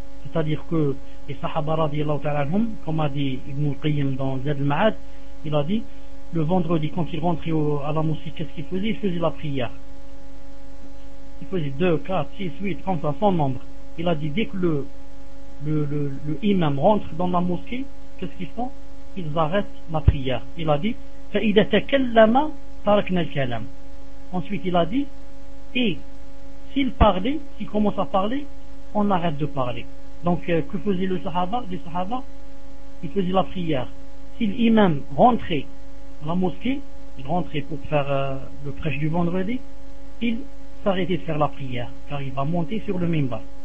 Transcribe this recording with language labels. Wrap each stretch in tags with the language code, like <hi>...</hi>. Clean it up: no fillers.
<fr>C'est-à-dire que les sahaba radiyallahu ta'ala anhum, comme a dit Ibn al-Qayyim dans Zad al-Ma'ad, il a dit, le vendredi quand il rentrait à la mosquée, qu'est-ce qu'il faisait? Il faisait la prière. Il faisait 2, 4, 6, 8, 30, 100 nombres. Il a dit, dès que le imam rentre dans la mosquée, qu'est-ce qu'ils font? Ils arrêtent la prière. Il a dit,</fr> <ar>فَإِذَا تَكَلَّمَا تَرَكْنَا الْكَلَامَ.</ar> <fr>Ensuite il a dit, et s'il parlait, s'il commence à parler, on arrête de parler. Donc que faisait le sahaba? Les sahaba, ils faisaient la prière. Si l'imam rentrait à la mosquée, il rentrait pour faire le prêche du vendredi, il s'arrêtait de faire la prière, car il va monter sur le minbar.</fr>